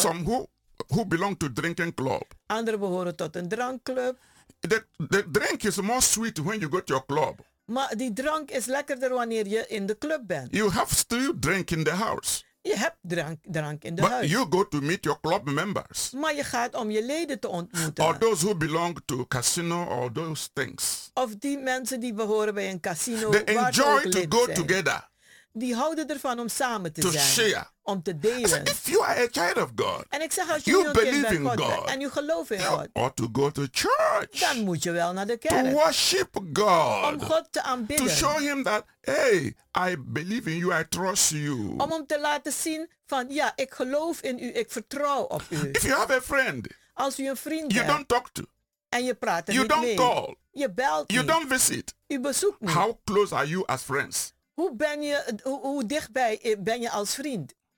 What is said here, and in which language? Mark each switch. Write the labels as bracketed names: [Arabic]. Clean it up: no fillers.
[English] There are some who belong to drinking club. [Dutch] Anderen behoren tot een drankclub. [English] The drink is more sweet when you go to your club. [Dutch] Maar die drank is lekkerder wanneer je in de club bent. [English] You have still drink in the house. [Dutch] Je hebt drank in de [English] but [Dutch] huis. [English] You go to meet your club members. [Dutch] Maar je gaat om je leden te ontmoeten. [English] Or those who belong to casino or those things. [Dutch] Of die mensen die behoren bij een casino. [English] They enjoy to go together. [Dutch] Die houden ervan om samen te [English] to [Dutch] zijn. [English] Share. [Dutch] Om te delen. [English] Said, if you are a child of God, [Dutch] en ik zeg als je een kind van God bent en je gelooft in God. [English] Or to go to church, [Dutch] dan moet je wel naar de kerk. [English] To worship God, [Dutch] om God te aanbidden. [English] To show him that, hey, I believe in you, I trust you. [Dutch] Om hem te laten zien van ja, ik geloof in u, ik vertrouw op u. [English] If you have a friend, [Dutch] als u een vriend [English] you [Dutch] hebt, [English] don't talk to. [Dutch] En je praat er [English] you [Dutch] niet [English] don't [Dutch] mee. [English] Call. [Dutch] Je belt [English] you [Dutch] niet. [English] Don't visit. [Dutch] U bezoekt niet. [English] How close are you as friends? [Dutch] Hoe ben je hoe dichtbij ben je als vriend?